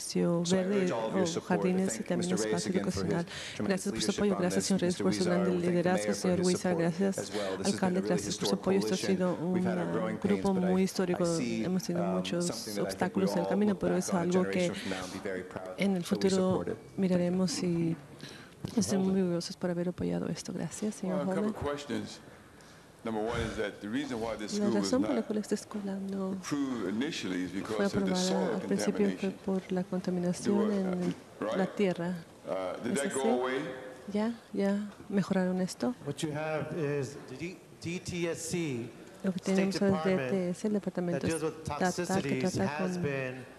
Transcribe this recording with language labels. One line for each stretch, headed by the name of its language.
English: So I urge all of your support. Thank you, Mr. Reyes, again, for his tremendous leadership on this. Mr. Wizard, thank you, Mayor, for his support as well. This has been a really historic coalition. We've had our growing pains, but I see something that I think we all look back on a generation from now.
Spanish: En el futuro miraremos y estamos muy orgullosos por haber apoyado esto. Gracias, señor Holden.
English: Number one is that the reason why this school was not approved initially is because of the soil contamination. Did that go away?
Spanish: Ya mejoraron esto.
English: What you have is DTSC, State Department, that deals with toxicities has been